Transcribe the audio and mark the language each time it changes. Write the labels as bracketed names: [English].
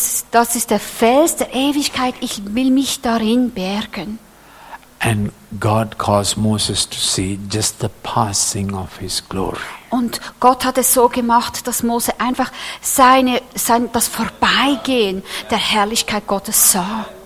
[German] Das ist der Fels der Ewigkeit. Ich will mich darin bergen. [English] And God caused Moses to see just the passing of his glory. [German] Und Gott hat es so gemacht, dass Mose einfach das Vorbeigehen der Herrlichkeit Gottes sah.